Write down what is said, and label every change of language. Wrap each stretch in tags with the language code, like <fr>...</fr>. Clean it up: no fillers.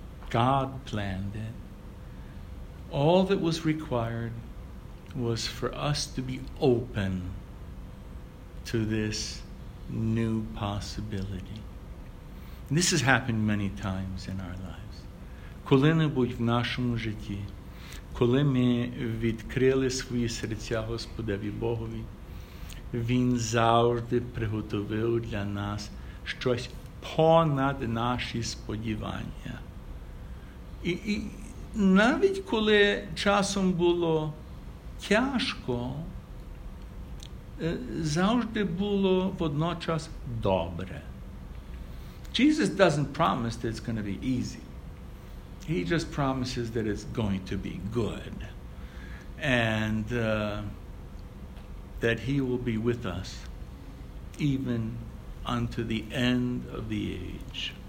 <en>God planned it. All that was required was for us to be open to this new possibility. And this has happened many times in our lives.</en> <uk>Коли в нашому житті, коли ми відкрили свої серця Господеві Богові, Він завжди приготував для нас щось понад наші сподівання. І навіть коли часом було тяжко, завжди було водночас добре.</uk> <en>Jesus doesn't promise that it's going to be easy. He just promises that it's going to be good. And that he will be with us even unto the end of the age.</en>